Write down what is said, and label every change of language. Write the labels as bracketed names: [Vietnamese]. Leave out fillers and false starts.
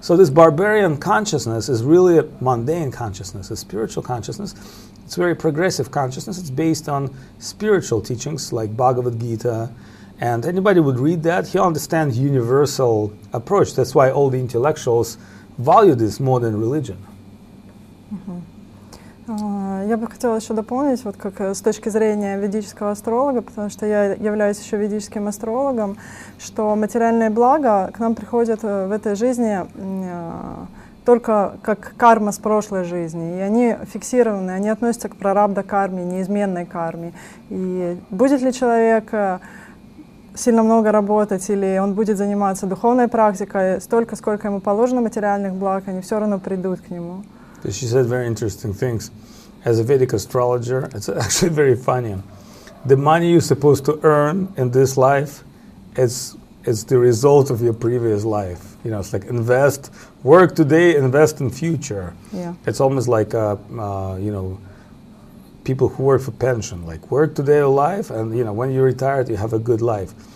[English] So this barbarian consciousness is really a mundane consciousness, a spiritual consciousness. It's very progressive consciousness. It's based on spiritual teachings like Bhagavad Gita. And anybody would read that, he'll understand universal approach. That's why all the intellectuals value this more than religion. [Russian] Я бы хотела еще дополнить, вот как с точки зрения ведического астролога, потому что я являюсь еще ведическим астрологом, что материальные блага к нам приходят в этой жизни только как карма с прошлой жизни, и они фиксированы, они относятся к прарабдха-карме, неизменной карме. И будет ли человек сильно много работать, или он будет заниматься духовной практикой, столько, сколько ему положено материальных благ, они все равно придут к нему. [English] She said very interesting things. As a Vedic astrologer, it's actually very funny. The money you're supposed to earn in this life, it's the result of your previous life. You know, it's like invest, work today, invest in future. Yeah. It's almost like, you know, people who work for pension, like work today your life, and you know, when you retire, you have a good life.